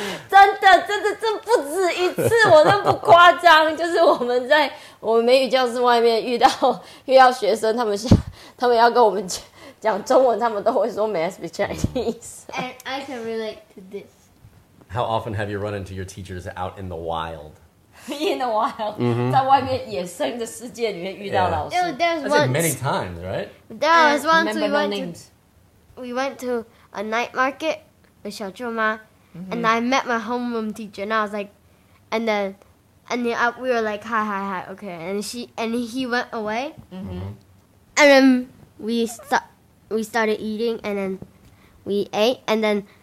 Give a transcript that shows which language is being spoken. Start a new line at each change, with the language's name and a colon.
Chinese: 真的真的这不止一次我真不夸张就是我们在我们美语教室外面遇到学生他们要跟我们讲中文他们都会说
English: May I speak Chinese? And I can relate to this. How often have you run into your teachers out in the wild? In the wild? Mm-hmm.
Chinese: 在外面野生的世界里面遇到老师。
English: Yeah. There was once, many times, right? There was once we went to a night market with 小舅妈 and I met my homeroom teacher and I was like, we were like, hi, okay. And he went away. Mm-hmm. And then we started eating and then we ate and then...